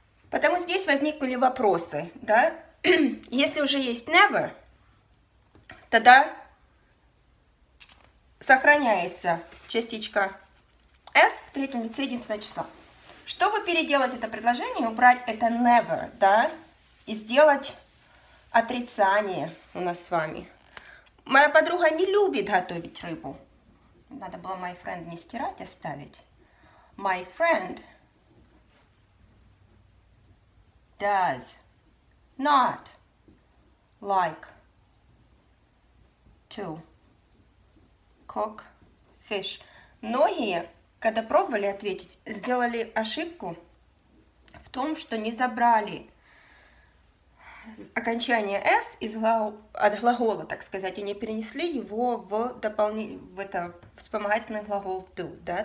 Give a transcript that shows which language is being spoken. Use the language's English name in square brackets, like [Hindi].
[Russian] Потому здесь возникли вопросы, да? Если уже есть never, тогда сохраняется частичка s в третьем лице единственное число. Чтобы переделать это предложение, убрать это never, да, и сделать отрицание у нас с вами. Моя подруга не любит готовить рыбу. Надо было [English] my friend [Russian] не стирать, а ставить. [English] My friend does not like to cook fish. [Russian] Многие, когда пробовали ответить, сделали ошибку в том, что не забрали окончание s из от глагола, так сказать, и не перенесли его в вспомогательный глагол do. Да?